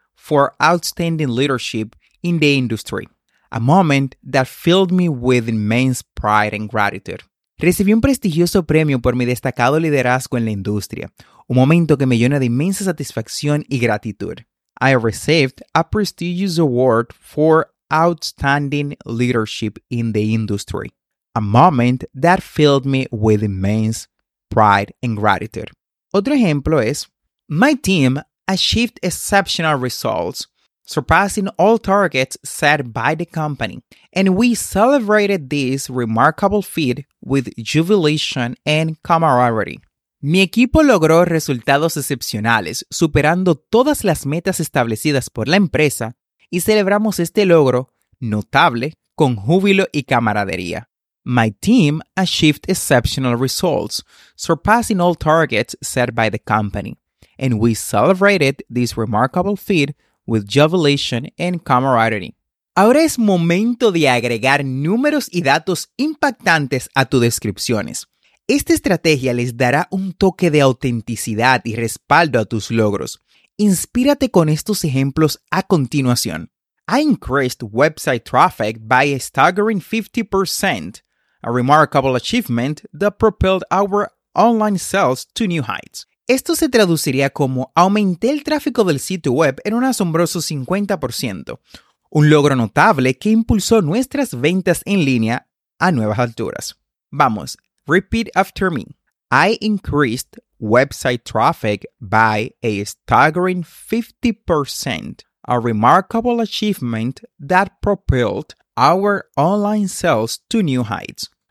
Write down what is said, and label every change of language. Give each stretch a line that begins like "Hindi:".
English: for outstanding leadership in the industry, a moment that filled me with immense pride and gratitude.
Spanish: Recibí un prestigioso premio por mi destacado liderazgo en la industria, un momento que me llena de inmensa satisfacción y gratitud.
English: I received a prestigious award for outstanding leadership in the industry, a moment that filled me with immense pride and gratitude.
Spanish: Otro ejemplo es,
English: my team achieved exceptional results, surpassing all targets set by the company, and we celebrated this remarkable feat with jubilation and camaraderie.
Spanish: Mi equipo logró resultados excepcionales, superando todas las metas establecidas por la empresa, y celebramos este logro notable con júbilo y camaradería.
English: My team achieved exceptional results, surpassing all targets set by the company, and we celebrated this remarkable feat with jubilation and camaraderie.
Spanish: Ahora es momento de agregar números y datos impactantes a tus descripciones. Esta estrategia les dará un toque de autenticidad y respaldo a tus logros. Inspírate con estos ejemplos a continuación.
English: I increased website traffic by a staggering 50%. A remarkable achievement that propelled our online sales to new heights.
Spanish: Esto se traduciría como aumenté el tráfico del sitio web en un asombroso 50%, un logro notable que impulsó nuestras ventas en línea a nuevas alturas. Vamos,
English: repeat after me. I increased website traffic by a staggering 50%, a remarkable achievement that propelled our online sales to new heights.